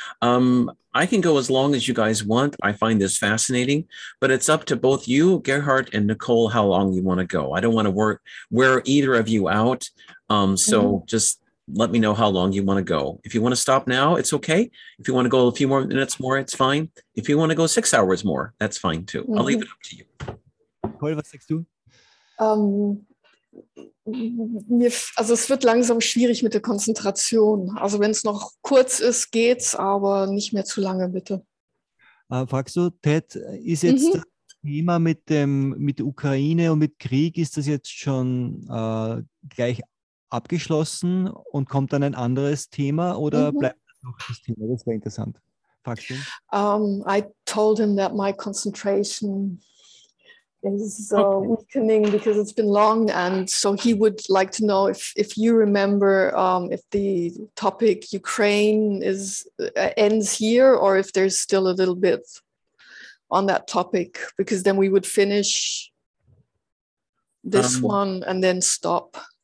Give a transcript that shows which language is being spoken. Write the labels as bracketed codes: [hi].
[en] I can go as long as you guys want. I find this fascinating, but it's up to both you, Gerhard, and Nicole, how long you want to go. I don't want to wear either of you out. Just let me know how long you want to go. If you want to stop now, it's okay. If you want to go a few more minutes more, it's fine. If you want to go 6 hours more, that's fine too. Mm-hmm. I'll leave it up to you. [de] Also es wird langsam schwierig mit der Konzentration. Also wenn es noch kurz ist, geht's, aber nicht mehr zu lange, bitte. Fragst du, Ted, ist jetzt das Thema mit Ukraine und mit Krieg, ist das jetzt schon gleich abgeschlossen und kommt dann ein anderes Thema oder bleibt das noch das Thema? Das wäre interessant. Fragst du? [en] I told him that my concentration is weakening because it's been long, and so he would like to know if you remember if the topic Ukraine is ends here or if there's still a little bit on that topic, because then we would finish this one and then stop.